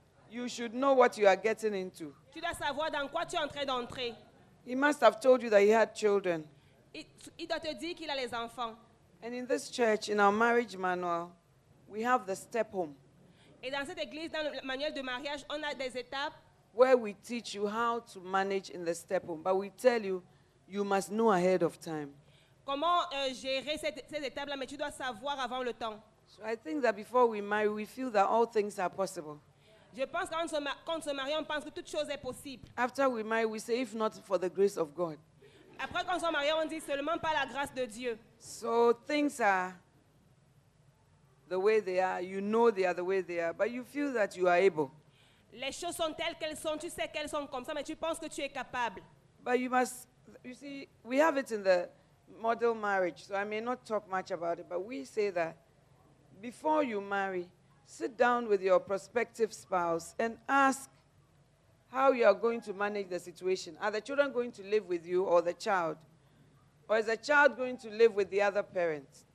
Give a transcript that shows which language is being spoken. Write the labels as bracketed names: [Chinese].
[English] you should know what you are getting into. [French] Tu dois savoir dans quoi tu es en train d'entrer. [English] He must have told you that he had children. [French] Il doit te dire qu'il a les enfants. [English] And in this church, in our marriage manual, we have the step home. [French] Et dans cette église, dans le manuel de mariage, on a des étapes. [English] Where we teach you how to manage in the step home, but we tell you, you must know ahead of time. [French] Comment gérer ces étapes-là, mais tu dois savoir avant le temps. [English] So I think that before we marry, we feel that all things are possible. [French] Je pense quand on se marie, on pense que toute chose est possible. [English] After we marry, we say, if not for the grace of God. [French] Après quand on se marie, on dit seulement par la grâce de Dieu. [English] So things are the way they are. You know they are the way they are, but you feel that you are able. [French] Les choses sont telles qu'elles sont. Tu sais qu'elles sont comme ça, mais tu penses que tu es capable. [English] But you must, you see, we have it in the model marriage. So I may not talk much about it, but we say that before you marry, sit down with your prospective spouse and ask how you are going to manage the situation. Are the children going to live with you or the child? Or is the child going to live with the other parent?